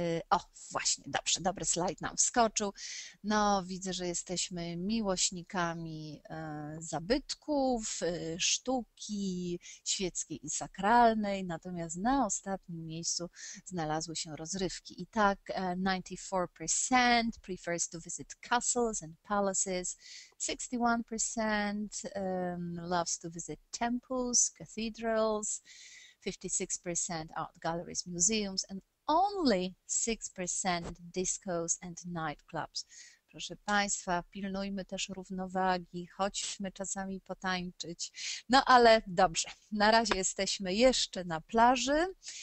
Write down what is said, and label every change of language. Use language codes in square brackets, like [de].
[pl] O, właśnie, dobrze, dobry slajd nam wskoczył. No, widzę, że jesteśmy miłośnikami zabytków, sztuki świeckiej i sakralnej, natomiast na ostatnim miejscu znalazły się rozrywki. I tak [en] 94% prefers to visit castles and palaces, 61% loves to visit temples, cathedrals, 56% art galleries, museums, and only 6% discos and nightclubs. [pl] Proszę Państwa, pilnujmy też równowagi, chodźmy czasami potańczyć. No ale dobrze, na razie jesteśmy jeszcze na plaży.